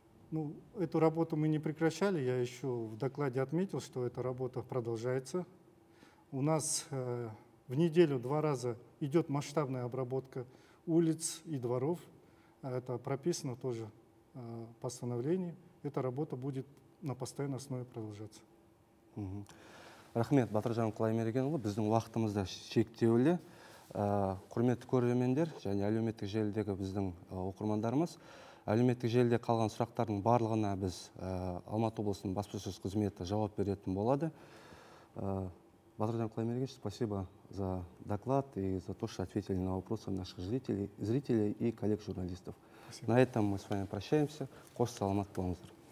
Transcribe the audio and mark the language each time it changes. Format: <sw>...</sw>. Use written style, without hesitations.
<ru>Ну, эту работу мы не прекращали. Я еще в докладе отметил, что эта работа продолжается. У нас в неделю 2 раза идет масштабная обработка улиц и дворов. Это прописано тоже в постановлении. Эта работа будет на постоянной основе продолжаться. Угу.</ru> <kk>Рахмет, Батыржан Кулаймергенұлы. Біздің уақытымызда шектеулі. Құрметті көрермендер, және әлеуметтік желідегі біздің оқырмандарымыз. Әлеуметтік желіде қалған сұрақтардың барлығына біз Алматы облысының баспасөз қызметі жауап беретін болады.</kk> <ru>Батырхан Кулаймергенович, спасибо за доклад и за то, что ответили на вопросы наших зрителей и коллег-журналистов. На этом мы с вами прощаемся.</ru> <kk>Хош саламат болыңыздар.</kk>